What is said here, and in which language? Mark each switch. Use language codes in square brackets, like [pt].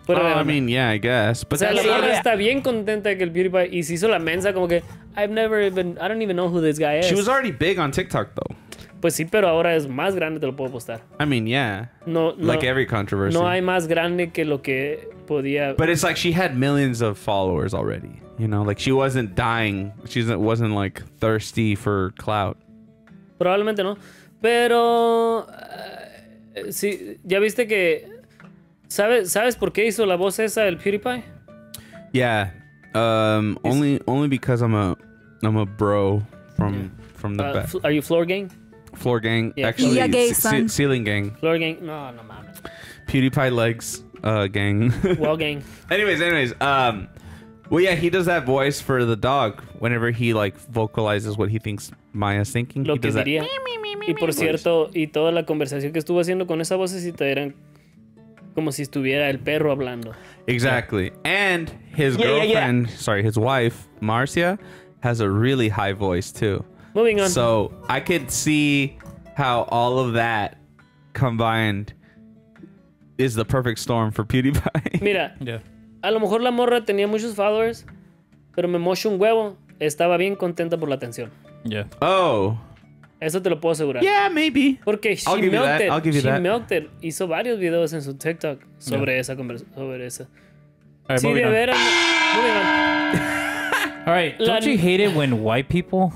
[en] I mean, I guess. But [es] o sea, la morra está bien contenta que el PewDiePie y se hizo la mensa como que [en] I don't even know who this guy is. She was already big on TikTok though. [es] Pues sí, pero ahora es más grande, te lo puedo apostar. [en] I mean, [es] No, [en] every controversy. [es] No hay más grande que lo que podía. [en] But it's like she had millions of followers already, you know? Like she wasn't dying. She wasn't like thirsty for clout. [es] Probablemente no, pero sí, ya viste que ¿Sabes por qué hizo la voz esa del PewDiePie? [en] Yeah. Only because I'm a bro from the back. Are you floor gang? Floor gang. Yeah. Actually, yeah, gay, ceiling gang. Floor gang. [es] No, mames. [en] PewDiePie legs gang. Wall gang. Anyways. He does that voice for the dog whenever he like vocalizes what he thinks Maya's thinking. [es] Lo [en] he does [es] que diría. Y por cierto, y toda la conversación que estuvo haciendo con esa vocecita eran como si estuviera el perro hablando. [en] Exactly. Yeah. And his his wife, Marcia, has a really high voice too. Moving on. So I could see how all of that combined is the perfect storm for PewDiePie. [es] Mira, a lo mejor la morra tenía muchos followers, pero me mocho un huevo, estaba bien contenta por la atención. [en] Yeah. Oh. [es] Eso te lo puedo asegurar. [en] Yeah, maybe. [es] Porque [en] she milked it. [es] Hizo varios videos en su TikTok sobre esa conversación. [en] All right, moving on. All right, don't you hate it when white people...